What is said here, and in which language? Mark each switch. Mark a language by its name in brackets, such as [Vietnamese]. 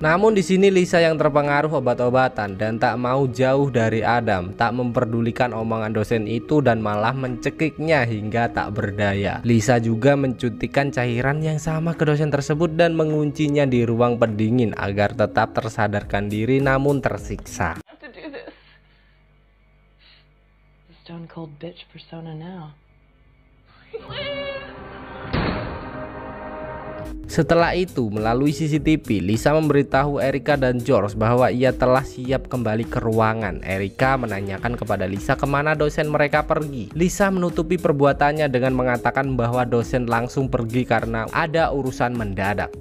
[Indonesian] Namun di sini Lisa yang terpengaruh obat-obatan dan tak mau jauh dari Adam, tak memperdulikan omongan dosen itu dan malah mencekiknya hingga tak berdaya. Lisa juga mencuntikkan cairan yang sama ke dosen tersebut dan menguncinya di ruang pendingin agar tetap tersadarkan diri namun tersiksa. [English] Stone cold bitch persona now. [Indonesian] Setelah itu, melalui CCTV, Lisa memberitahu Erica dan George bahwa ia telah siap kembali ke ruangan. Erica menanyakan kepada Lisa kemana dosen mereka pergi. Lisa menutupi perbuatannya dengan mengatakan bahwa dosen langsung pergi karena ada urusan mendadak.